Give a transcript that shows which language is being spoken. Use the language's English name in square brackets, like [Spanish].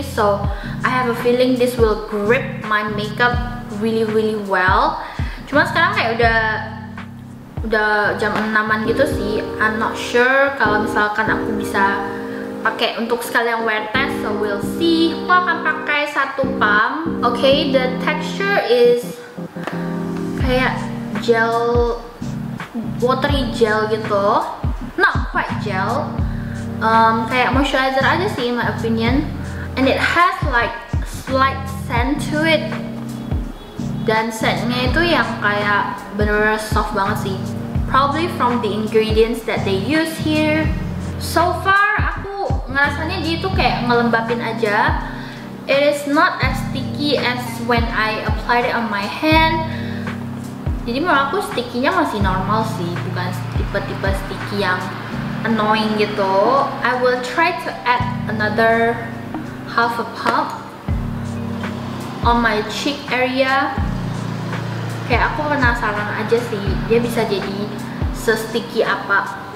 [English] So I have a feeling this will grip my makeup really really well. [Indonesian] Cuma sekarang kayak udah jam 6-an gitu sih. [English] I'm not sure [Indonesian] kalau misalkan aku bisa pakai untuk sekalian wear test, [English] so we'll see. [Indonesian] Aku akan pakai satu pump. [English] Okay, the texture is kayak gel, watery gel gitu. Not quite gel, kayak moisturizer aja sih in my opinion. And it has like slight scent to it. [Indonesian] Dan scentnya itu yang kayak bener-bener soft banget sih, [English] probably from the ingredients that they use here. [Indonesian] So far aku ngerasanya dia tuh kayak ngelembapin aja. [English] It is not as sticky as when I applied it on my hand. [Indonesian] Jadi menurut aku sticky-nya masih normal sih, bukan tipe-tipe sticky yang annoying gitu. [English] I will try to add another half a pump on my cheek area. [Indonesian] Kayak aku penasaran aja sih, dia bisa jadi se-sticky apa.